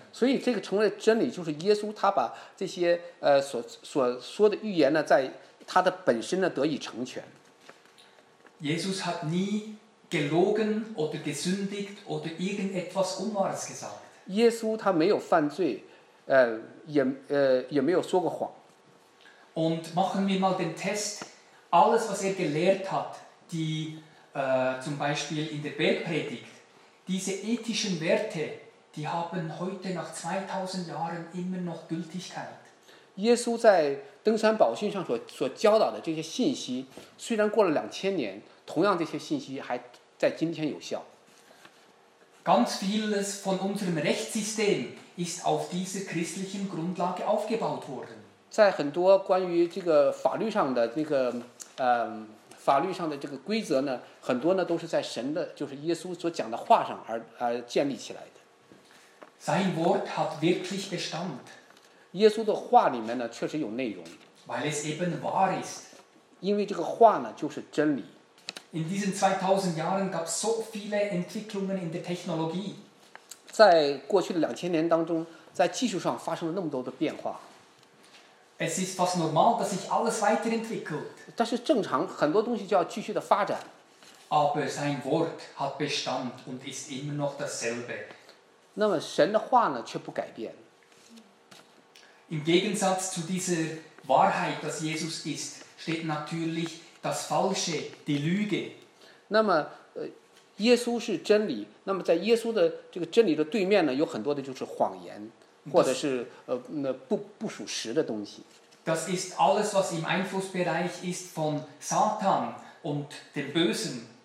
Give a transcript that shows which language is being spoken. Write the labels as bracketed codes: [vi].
[zh] 所以这个成为真理，就是耶稣他把这些所说的预言呢，在他的本身呢得以成全。 [de] Jesus hat nie gelogen oder gesündigt oder irgendetwas Unwahres gesagt. [zh] 耶稣他没有犯罪，也没有说过谎。 [de] Und machen wir mal den Test. Alles, was gelehrt hat, die zum Beispiel in der Bergpredigt, diese ethischen Werte, die haben heute nach 2000 Jahren immer noch Gültigkeit. [zh] 耶稣在登山宝训上所教导的这些信息，虽然过了2000年，同样这些信息还在今天有效。 [de] Ganz vieles von unserem Rechtssystem ist auf dieser christlichen Grundlage aufgebaut worden. [zh] 在很多关于这个法律上的这个法律上的这个规则呢，很多呢都是在神的，就是耶稣所讲的话上而建立起来的。 [de] Sein Wort hat wirklich Bestand. [zh] 耶稣的话里面呢确实有内容。 [de] Weil es eben wahr ist. [zh] 因为这个话呢就是真理。 [de] In diesen 2000 Jahren gab es so viele Entwicklungen in der Technologie. [zh] 在过去的2000年当中，在技术上发生了那么多的变化。 [de] Es ist fast normal, dass sich alles weiterentwickelt. [zh] 但是正常，很多东西就要继续的发展。 [de] Aber sein Wort hat Bestand und ist immer noch dasselbe. [zh] 那么神的话呢，却不改变。 [de] Im Gegensatz zu dieser Wahrheit, dass Jesus ist, steht natürlich das Falsche, die Lüge. [zh] 那么耶稣是真理，那么在耶稣的这个真理的对面呢，有很多的就是谎言。或者是不属实的东西。 [de] Das ist alles, was im Einflussbereich ist von Satan und dem Bösen.